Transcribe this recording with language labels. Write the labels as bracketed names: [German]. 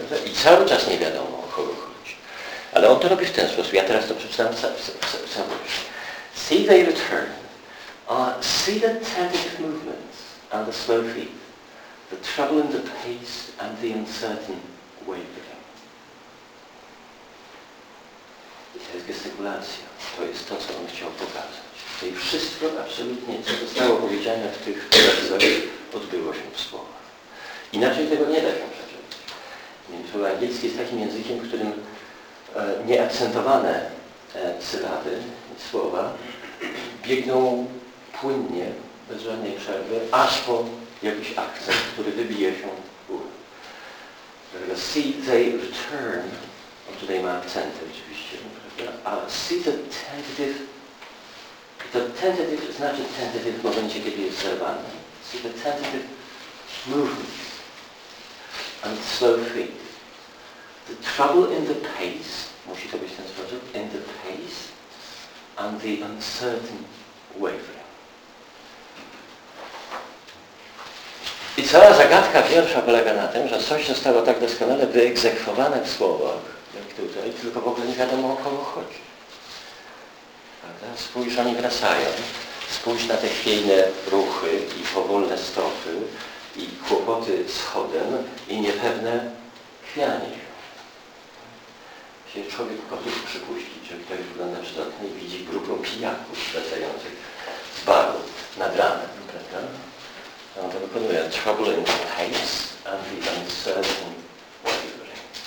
[Polish] I cały czas nie wiadomo, o kogo chodzi. Ale on to robi w ten sposób. Ja teraz to przeczytam całość. [English] See they return. See the tentative movements and the slow feet. The trouble in the pace and the uncertain wavering. [Polish] I to jest gestykulacja. To jest to, co on chciał pokazać. czyli wszystko absolutnie, co zostało powiedziane w tych obrazach, odbyło się w słowach. Inaczej tego nie da się przeczytać. Więc słowo angielskie jest takim językiem, którym nieakcentowane sylaby i słowa biegną płynnie, bez żadnej przerwy, aż po jakiś akcent, który wybije się w górę. Dlatego [English] see they return, [Polish] on tutaj ma akcenty oczywiście, prawda? A [English] see the tentative, [Polish] to tentative znaczy tentative w momencie, kiedy jest zerwany. [English] See the tentative movements and slow feet. The trouble in the pace, [Polish] musi to być ten sposób, [English] in the pace and the uncertain wavering. [Polish] I cała zagadka wiersza polega na tym, że coś zostało tak doskonale wyegzekwowane w słowach, jak tutaj, tylko w ogóle nie wiadomo, o kogo chodzi. Prawda? Spójrz, oni wracają. Spójrz na te chwiejne ruchy i powolne stopy i kłopoty schodem i niepewne chwianie się. Czyli człowiek może przypuścić, że ktoś wygląda przydatnie i widzi grupę pijaków wracających z baru nad ranem. Prawda? On to wykonuje. [English] Trouble in the pace and the uncertain wavering.